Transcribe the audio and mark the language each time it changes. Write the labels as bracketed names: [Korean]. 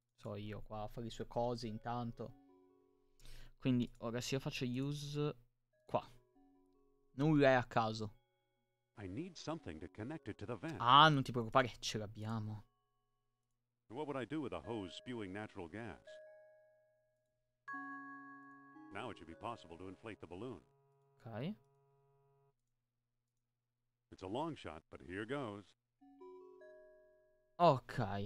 [Italian] So io qua a fare le sue cose intanto. Quindi, ora se io faccio use qua. Nulla è a caso. [English] I need something to connect it to the vent. [Italian] Ah, non ti preoccupare, ce l'abbiamo. [English] What would I do with a hose spewing natural gas? Now it should be possible to inflate the balloon. Ok. It's a long shot, but here goes. Ok.